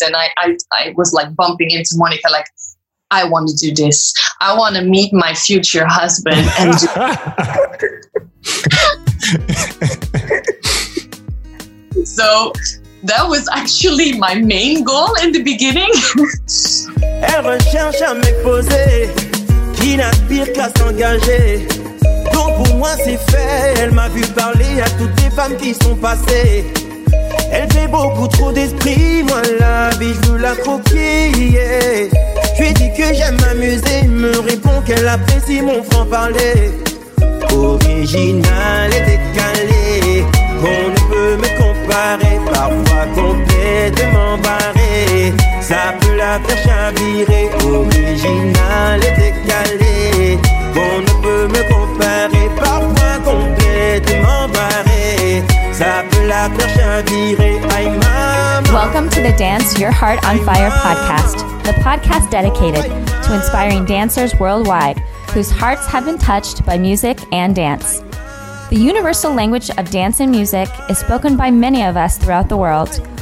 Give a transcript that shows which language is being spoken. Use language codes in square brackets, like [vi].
[en] And I was like bumping into Monica, like, I want to do this. I want to meet my future husband. And do- So that was actually my main goal in the beginning. [fr] Elle recherche à m'exposer, qui n'aspire qu'à s'engager. Donc pour moi c'est fait, elle m'a vu parler à toutes les femmes qui sont passées. Elle fait beaucoup trop d'esprit, moi la vie je veux la croquer. Je lui dis que j'aime m'amuser, me répond qu'elle apprécie mon franc-parler. Original et décalé, qu'on ne peut me comparer, parfois complètement barré, ça peut la faire chavirer. Original et décalé, qu'on ne peut me comparer, parfois complètement barré, ça peut la faire chavirer. Aïe maman. [en] Welcome to the Dance Your Heart on Fire podcast, the podcast dedicated to inspiring dancers worldwide whose hearts have been touched by music and dance. The universal language of dance and music is spoken by many of us throughout the world.